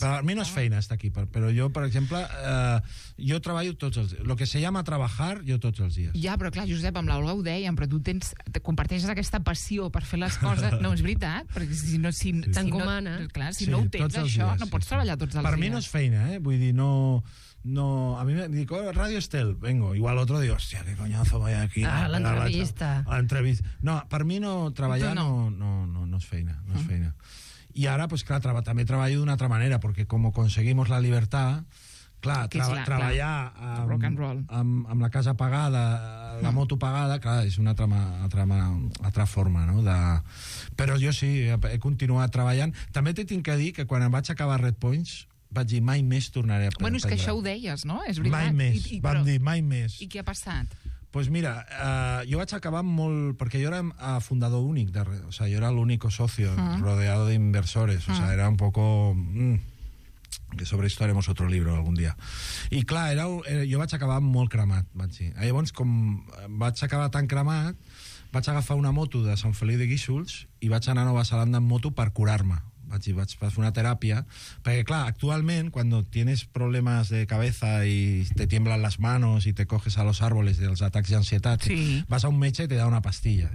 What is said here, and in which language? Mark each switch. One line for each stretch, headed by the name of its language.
Catalan: per a mi no és feina estar aquí, però jo, per exemple, jo treballo tots els dies.
Spanish: Lo que se llama trabajar,
Catalan: jo tots els dies. Ja, però clar, Josep, amb l'Olga ho dèiem, però tu tens, comparteixes aquesta passió per fer les coses. No, és veritat, perquè si no... Si, t'encomana. No, clar, si sí, no ho tens, això, dies, no pots treballar tots els per dies. Per mi no és feina, eh? Vull dir, no...
Spanish: No, a mi me dijo, Radio Estel, vengo. Igual otro digo, hostia, qué coñazo voy aquí.
Catalan: Ah, l'entrevista. L'entrevista. No, per mi no treballar no. No és feina, no és feina. I ara, pues clar, també treballo d'una altra manera, perquè com
Spanish: aconseguimos la libertad,
Catalan: clar, treballar amb la casa pagada, la moto pagada, clar, és una altra forma, no? Però jo sí, he continuat treballant. També t'he de dir que quan em vaig acabar Red Points... vaig dir, mai més tornaré a... Bueno, és que això ho deies, no? És veritat. Mai més, vam dir, mai més. I què ha passat? Pues mira, jo vaig acabar molt... Perquè jo era fundador únic, jo era l'únic
Spanish: socio rodeado de inversores, era un poco... que sobre esto haremos otro libro algún día.
Catalan: I clar, jo vaig acabar molt cremat, vaig dir. Llavors, com vaig acabar tan cremat, vaig agafar una moto de Sant Feliu de Guíxols i vaig anar a Nova Zelanda en moto per curar-me. Vaig fer una teràpia, perquè, clar, actualment, quan tienes problemes de cabeza i te tiemblen les manos i
Spanish: te coges a los árboles
Catalan: dels atacs d'ansietat, vas a un metge i
Spanish: te da una pastilla.